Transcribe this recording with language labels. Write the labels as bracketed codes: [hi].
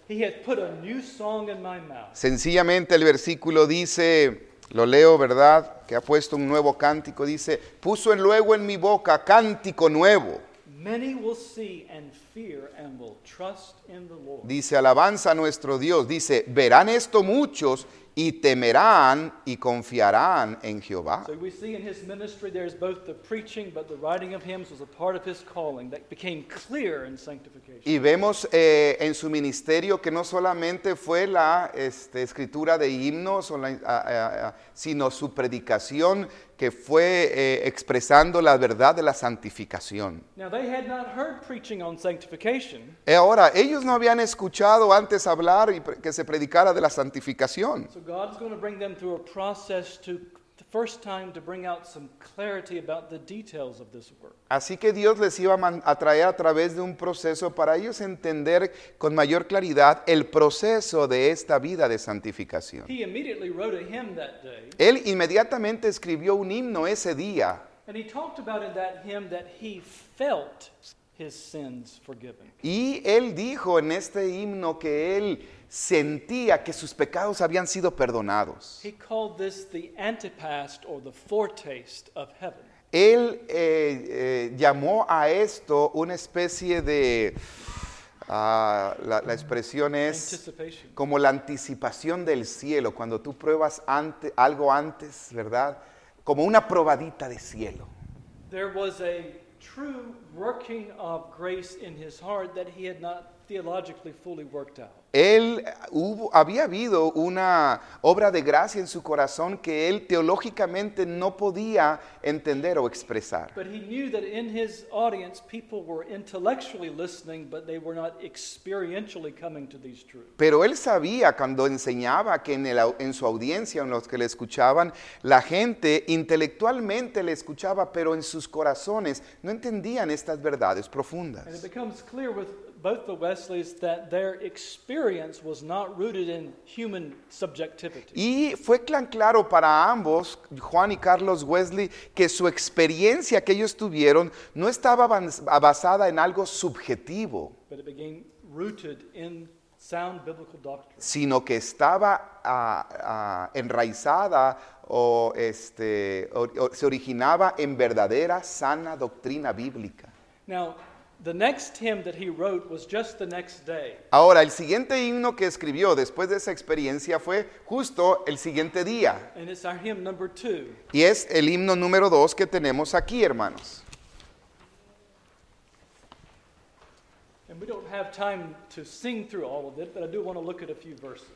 [en] He had put a new song in my mouth. [es] Sencillamente el versículo dice, lo leo, ¿verdad? Que ha puesto un nuevo cántico. Dice, puso luego en mi boca cántico nuevo. [en] Many will see and fear and will trust in the Lord. [es] Dice, alabanza a nuestro Dios. Dice, verán esto muchos y temerán y confiarán en Jehová. [en] So we see in his ministry there's both the preaching, but the writing of hymns was a part of his calling that became clear in sanctification. [es] Y vemos en su ministerio que no solamente fue la escritura de himnos, sino su predicación que fue expresando la verdad de la santificación. [en] Now they had not heard preaching on sanctification. [es] Ahora, ellos no habían escuchado antes hablar y que se predicara de la santificación. [en] So God is going to bring them through a process to the first time to bring out some clarity about the details of this work. [es] Así que Dios les iba a traer a través de un proceso para ellos entender con mayor claridad el proceso de esta vida de santificación. [en] He immediately wrote a hymn that day. [es] Él inmediatamente escribió un himno ese día. [en] And he talked about in that hymn that he felt his sins forgiven. [es] Y él dijo en este himno que él sentía que sus pecados habían sido perdonados. [en] He called this the antepast or the foretaste of heaven. [es] Él llamó a esto una especie de la expresión es como la anticipación del cielo cuando tú pruebas algo antes, ¿verdad? Como una probadita de cielo. [en] There was a true working of grace in his heart that he had not theologically fully worked out. [es] Él había habido una obra de gracia en su corazón que él teológicamente no podía entender o expresar. [en] But he knew that in his audience people were intellectually listening, but they were not experientially coming to these truths. [es] Pero él sabía cuando enseñaba que en su audiencia, en los que le escuchaban, la gente intelectualmente le escuchaba, pero en sus corazones no entendían estas verdades profundas. [en] And it becomes clear with both the Wesleys that their experience was not rooted in human subjectivity. [es] Y fue claro para ambos, Juan y Carlos Wesley, que su experiencia que ellos tuvieron no estaba basada en algo subjetivo. [en] But it became rooted in sound biblical doctrine. [es] Sino que estaba enraizada se originaba en verdadera sana doctrina bíblica. [en] Now, the next hymn that he wrote was just the next day. [es] Ahora, el siguiente himno que escribió después de esa experiencia fue justo el siguiente día. [en] And it's our hymn number 2. [es] Y es el himno número 2 que tenemos aquí, hermanos. [en] And we don't have time to sing through all of it, but I do want to look at a few verses.